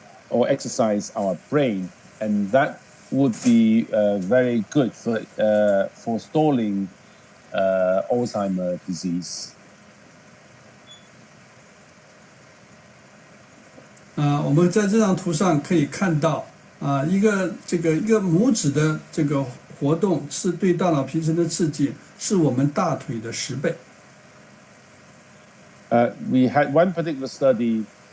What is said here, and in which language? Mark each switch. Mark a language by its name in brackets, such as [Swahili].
[English] Or exercise our brain, and that would be very good for stalling Alzheimer's disease. [Chinese] 我们在这张图上可以看到啊，一个拇指的这个活动是对大脑皮层的刺激，是我们大腿的十倍。 [English] We had one particular study.